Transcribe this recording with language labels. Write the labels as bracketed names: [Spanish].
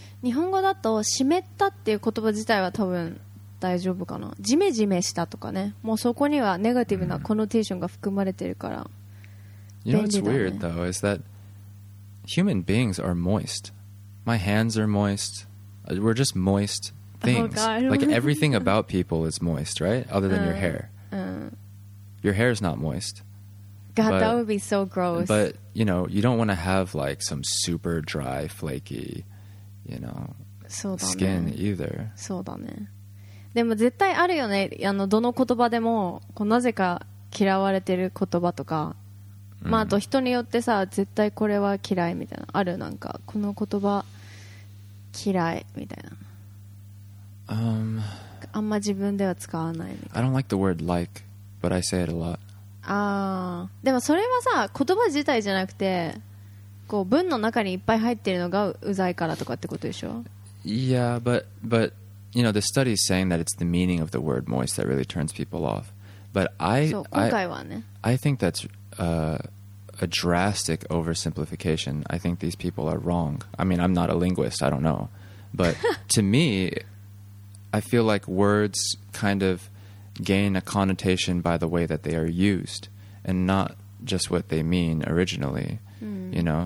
[Japanese] 日本語だと湿ったっていう言葉自体は多分大丈夫かな。ジメジメしたとかね。もうそこにはネガティブなコノテーションが含まれてるから。 [English] You know what's weird, though, is that human beings are moist. My hands are moist. We're just moist things. Oh, God. Like, everything about people is moist, right? Other than your hair. Your hair is not moist. God, but, that would be so gross. But, you know, you don't want to have, like, some super dry, flaky, you know, skin either. [Japanese] そうだね。でも絶対あるよね。どの言葉でも、こうなぜか嫌われてる言葉とか、まあ、あと人によってさ絶対これは嫌いみたいなある、なんかこの言葉嫌いみたいな、あんま自分では使わないみたいな。 [English] I don't like the word like, but I say it a lot. [Japanese] あ、でもそれはさ言葉自体じゃなくてこう文の中にいっぱい入ってるのがうざいからとかってことでしょ。 [English] Yeah, but you know, the study is saying that it's the meaning of the word moist that really turns people off. But I, [Japanese] そう、今回はね、 [English] I think that'sa drastic oversimplification. I think these people are wrong. I mean, I'm not a linguist, I don't know. But to me, I feel like words kind of gain a connotation by the way that they are used and not just what they mean originally, you know?